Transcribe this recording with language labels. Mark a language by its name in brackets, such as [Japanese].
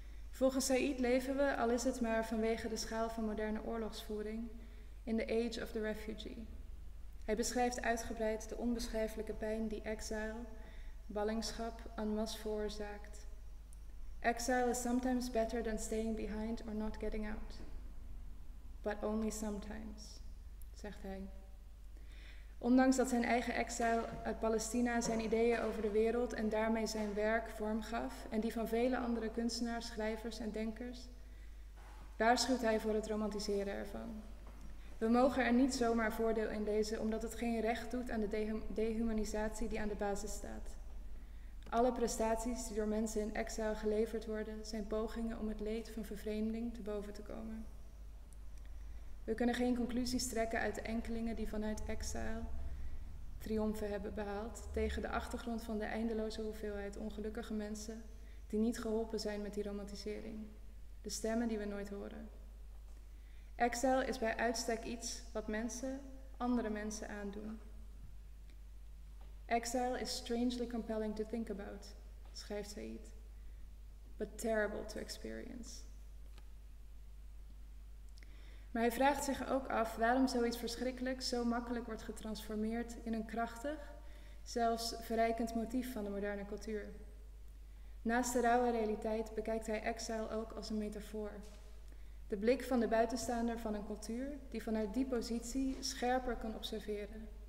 [Dutch] Volgens Said leven we, al is het maar vanwege de schaal van moderne oorlogsvoering, [English] in the age of the refugee. [Dutch] Hij beschrijft uitgebreid de onbeschrijfelijke pijn die exile, ballingschap, en masse veroorzaakt. [English] Exile is sometimes better than staying behind or not getting out. But only sometimes, [Dutch] zegt hij. Ondanks dat zijn eigen exile uit Palestina zijn ideeën over de wereld en daarmee zijn werk vorm gaf en die van vele andere kunstenaars, schrijvers en denkers, waarschuwt hij voor het romantiseren ervan. We mogen er niet zomaar voordeel in lezen omdat het geen recht doet aan de dehumanisatie die aan de basis staat. Alle prestaties die door mensen in exile geleverd worden zijn pogingen om het leed van vervreemding te boven te komen. We kunnen geen conclusies trekken uit de enkelingen die vanuit exile triomfen hebben behaald tegen de achtergrond van de eindeloze hoeveelheid ongelukkige mensen die niet geholpen zijn met die romantisering. De stemmen die we nooit horen. Exile is bij uitstek iets wat mensen andere mensen aandoen. [English] Exile is strangely compelling to think about, [Dutch] schrijft [English] Said, but terrible to experience. [Dutch] Maar hij vraagt zich ook af waarom zoiets verschrikkelijks zo makkelijk wordt getransformeerd in een krachtig, zelfs verrijkend motief van de moderne cultuur. Naast de rauwe realiteit bekijkt hij exile ook als een metafoor. De blik van de buitenstaander van een cultuur die vanuit die positie scherper kan observeren.